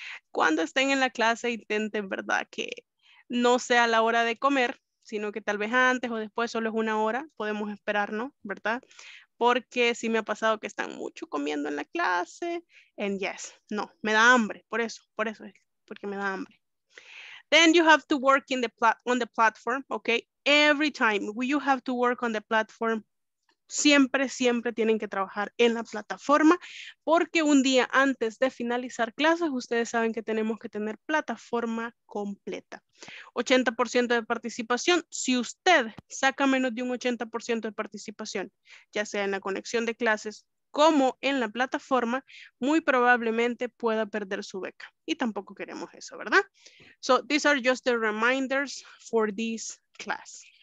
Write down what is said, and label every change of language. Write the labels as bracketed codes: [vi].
[es] Cuando estén en la clase, intenten, ¿verdad? Que no sea la hora de comer, sino que tal vez antes o después, solo es una hora, podemos esperar, ¿no? ¿Verdad? Porque sí me ha pasado que están mucho comiendo en la clase. [en] And yes, [es] no, me da hambre. Por eso es porque me da hambre. [en] Then you have to work on the platform, okay? Every time you have to work on the platform, [es] siempre, siempre tienen que trabajar en la plataforma. Porque un día antes de finalizar clases, ustedes saben que tenemos que tener plataforma completa. 80% de participación. Si usted saca menos de un 80% de participación, ya sea en la conexión de clases como en la plataforma, muy probablemente pueda perder su beca. Y tampoco queremos eso, ¿verdad? [en] So, these are just the reminders for this class.